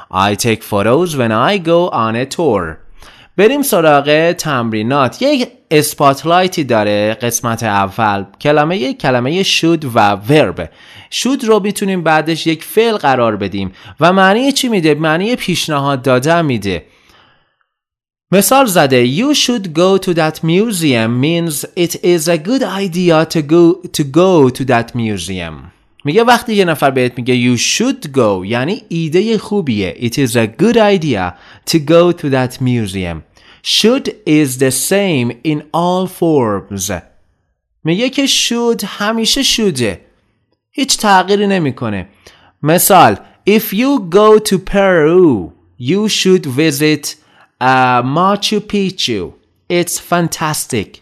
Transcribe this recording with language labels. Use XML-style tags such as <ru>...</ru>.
<en>I take photos when I go on a tour.</en> <fa>بریم سراغ تمرینات. یک اسپاتلایتی داره قسمت اول. کلمه should و verb. Should رو میتونیم بعدش یک فعل قرار بدیم و معنی چی میده؟ معنی پیشنهاد دادن میده. مثال زده</fa> <en>You should go to that museum means it is a good idea to go to that museum.</en> <fa>میگه وقتی یه نفر بهت میگه</fa> <en>You should go</en> <fa>یعنی ایده خوبیه.</fa> <en>It is a good idea to go to that museum. Should is the same in all forms.</en> <fa>میگه که should همیشه شده، هیچ تغییری نمی کنه. مثال</fa> <en>If you go to Peru you should visit Machu Picchu. It's fantastic.</en>